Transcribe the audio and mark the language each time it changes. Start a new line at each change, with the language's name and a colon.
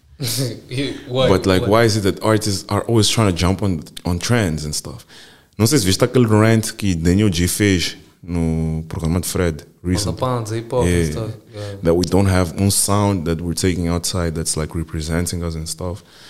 English: why is it that artists are always trying to jump on trends and stuff?
Portuguese: Não sei se viste aquele rant que Daniel G fez no programa de Fred recently.
English: Pants, hip-hop and stuff. Yeah. That we don't have one sound that we're taking outside that's like representing us and stuff.